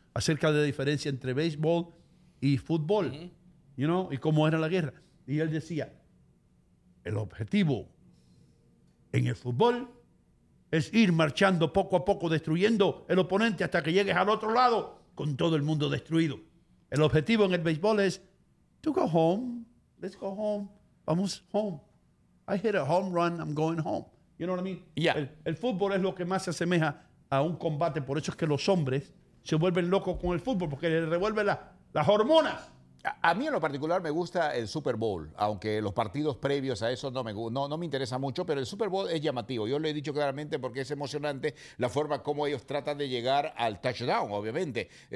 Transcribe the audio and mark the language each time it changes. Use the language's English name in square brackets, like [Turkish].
[Spanish] Acerca de la diferencia entre béisbol y fútbol. [English] Uh-huh. You know? [Spanish] Y cómo era la guerra. Y él decía... el objetivo en el fútbol es ir marchando poco a poco, destruyendo el oponente hasta que llegues al otro lado con todo el mundo destruido. El objetivo en el béisbol es [English] to go home. Let's go home. [Spanish] Vamos home. [English] I hit a home run, I'm going home. You know what I mean? Yeah. [Spanish] El fútbol es lo que más se asemeja a un combate. Por eso es que los hombres se vuelven locos con el fútbol, porque les revuelve las hormonas. A mí en lo particular me gusta el Super Bowl, aunque los partidos previos a eso no me interesa mucho, pero el Super Bowl es llamativo. Yo lo he dicho claramente porque es emocionante la forma como ellos tratan de llegar al touchdown, obviamente.